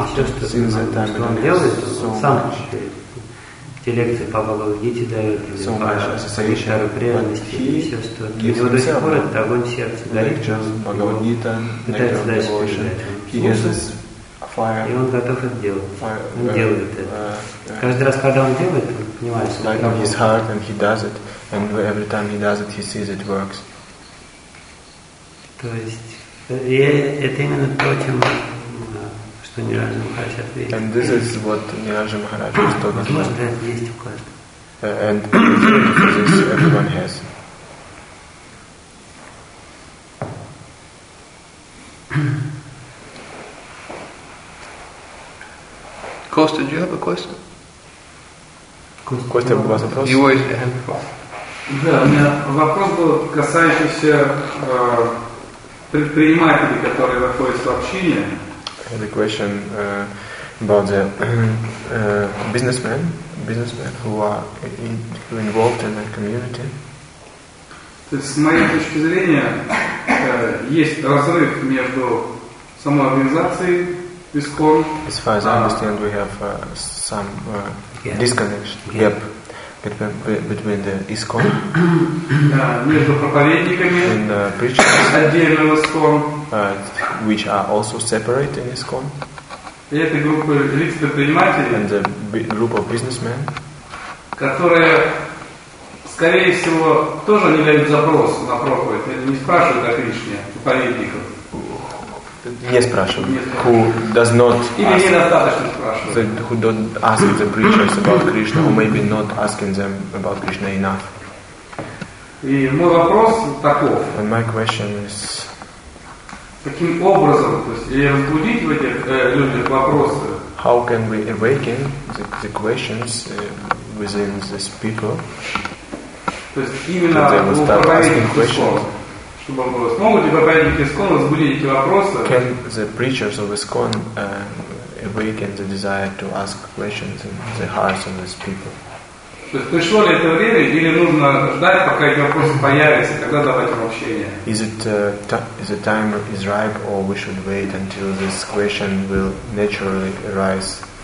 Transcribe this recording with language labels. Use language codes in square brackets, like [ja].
[ru] Все, что он делает, он сам читает. Те лекции по Бхагавад-гите дают, Саришару преданности, и все, что у него до сих пор это огонь в сердце горит, пытается дальше передать. И он готов это делать. Он делает это. Каждый раз, когда он делает, он понимает, что это работает. [en] Like heart, and he does it. And every time he does it, he sees it works. [ru] То есть, это именно то, чем... [en] And this is what Niranjan Maharaj was talking about. And this everyone has. Costa, did you have a question? Costa, you have a question? You always have a hand before. [ru] Да, у меня вопрос был касающийся предпринимателей, которые находятся в общине. [en] I had a question about the businessmen who are involved in the community. [ru] То есть, с моей точки зрения, есть разрыв между самой организацией ВИСКОН. [en] As far as I understand, we have some disconnection, gap between the ISKCON, [ru] между проповедниками, [en] and preachers, [ru] отдельно ВИСКОН, [en] which are also separate in ISKCON, and the group of businessmen, [ru] которые, скорее всего, тоже не дают запрос на проповедь, или не спрашивают о Кришне, проповедников. Не спрашивают. [en] Who does not [ru] или ask, недостаточно спрашивают. [en] Who don't ask the preachers about Krishna, or maybe not asking them about Krishna enough. [ru] И мой вопрос таков. [en] And my question is... [ru] Каким образом, то есть, разбудить в этих людях вопросы? [en] How can we awaken the questions within these people? [ru] То есть, именно у проповедников. [en] Can the preachers of ISKCON awaken the desire to ask questions in the hearts of these people? Is it time is ripe, or we should wait until this question will naturally arise?